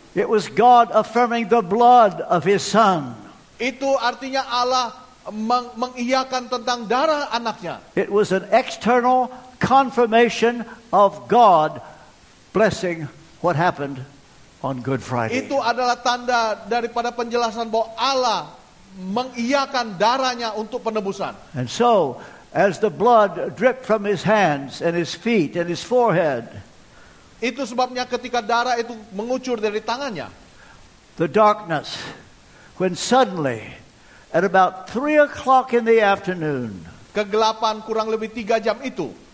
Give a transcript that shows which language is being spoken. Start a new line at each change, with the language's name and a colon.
English: It was God affirming the blood of his son.
Indonesian: Itu artinya Allah mengiyakan tentang darah anaknya.
English: It was an external confirmation of God blessing what happened on Good Friday.
Indonesian: Itu adalah tanda daripada penjelasan bahwa Allah mengiyakan darahnya untuk penebusan.
English: And so, as the blood dripped from his hands and his feet and his forehead,
Indonesian: itu sebabnya ketika darah itu mengucur dari tangannya,
English: the darkness, when suddenly, at about 3 o'clock in the afternoon,
Indonesian: kegelapan kurang lebih 3 jam itu,